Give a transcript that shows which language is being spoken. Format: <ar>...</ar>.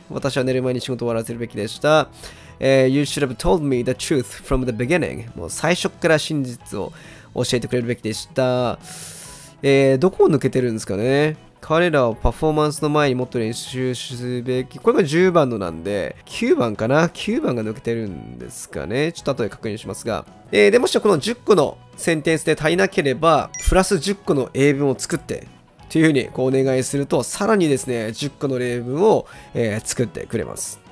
<ja>私は寝る前に仕事を終わらせるべきでした。</ja> <en>You should have told me the truth from the beginning.</en> <ja>もう最初から真実を教えてくれるべきでした。どこを抜けてるんですかね。彼らをパフォーマンスの前にもっと練習すべき、これが10番のなんで、9番かな、9番が抜けてるんですかね。ちょっと後で確認しますが、でもしこの10個のセンテンスで足りなければ、プラス10個の英文を作ってというふうにこうお願いすると、さらにですね10個の例文を、作ってくれます。</ja>